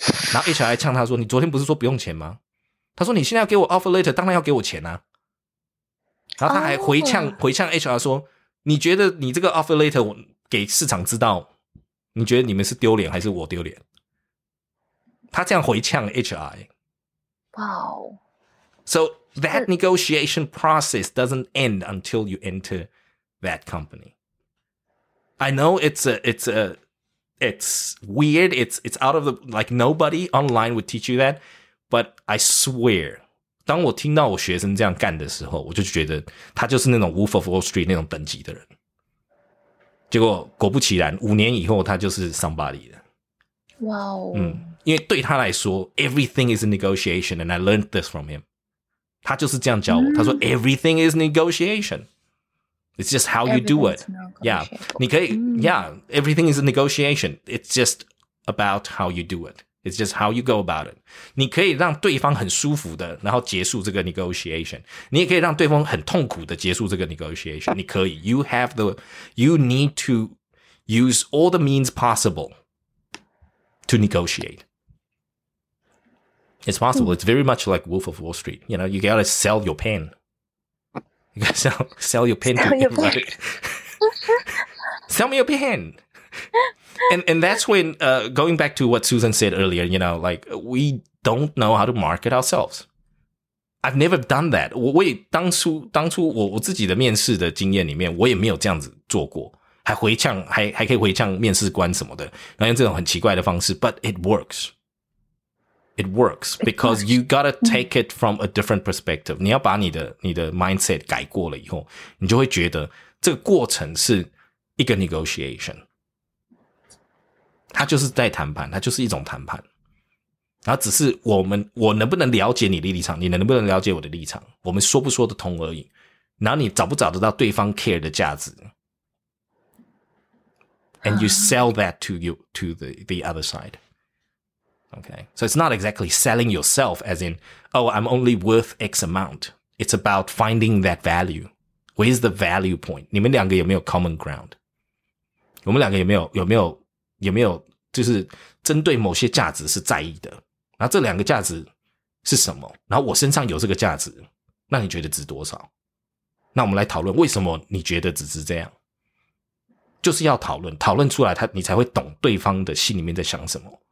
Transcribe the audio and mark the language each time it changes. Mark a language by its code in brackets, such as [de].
[zh] 然后 HR 还呛他说，你昨天不是说不用钱吗？他说你现在要给我 offer letter, 当然要给我钱啊。然后他还回呛 HR 说，你觉得你这个 offer letter 给市场知道，你觉得你们是丢脸还是我丢脸？他这样回呛 HR。 [en] Wow. So that negotiation process doesn't end until you enter that company. I know it's a it's weird. It's out of the, like, nobody online would teach you that. But I swear, [zh] 当我听到我学生这样干的时候，我就觉得他就是那种 Wolf of Wall Street 那种等级的人。结果果不其然，五年以后他就是 somebody 的。哇哦！因为对他来说 [en] ，everything is a negotiation， and I learned this from him。 [zh] 他就是这样教我。他说 [en] ，everything is negotiation。 It's just how you do it. Yeah, [zh] 你可以 [en] Yeah, everything is a negotiation. It's just about how you do it. It's just how you go about it. [zh] 你可以让对方很舒服的，然后结束这个 negotiation. 你也可以让对方很痛苦的结束这个 negotiation. 你可以 [en] you need to use all the means possible to negotiate. It's possible. It's very much like Wolf of Wall Street. You know, you gotta sell your pen. Sell your pen sell to your pen. Sell me your pen. And that's when, going back to what Susan said earlier, you know, like, we don't know how to market ourselves. I've never done that. [zh] 我也当初 我自己的面试的经验里面，我也没有这样子做过，还可以回呛面试官什么的，然后用这种很奇怪的方式。 [en] But it works. It works because you gotta take it from a different perspective. [zh] 你要把你的 mindset 改过了以后，你就会觉得这个过程是一个 negotiation. 它就是在谈判，它就是一种谈判。然后只是我能不能了解你的立场，你能不能了解我的立场，我们说不说得通而已。然后你找不找得到对方 care 的价值。 [en] And you sell that to the other side. Okay, so it's not exactly selling yourself as in, oh, I'm only worth X amount. It's about finding that value. Where's the value point? [zh] 你们两个有没有 common ground? 我们两个有没有就是针对某些价值是在意的？然后这两个价值是什么？然后我身上有这个价值，那你觉得值多少？那我们来讨论为什么你觉得只是这样？就是要讨论，讨论出来他，你才会懂对方的心里面在想什么。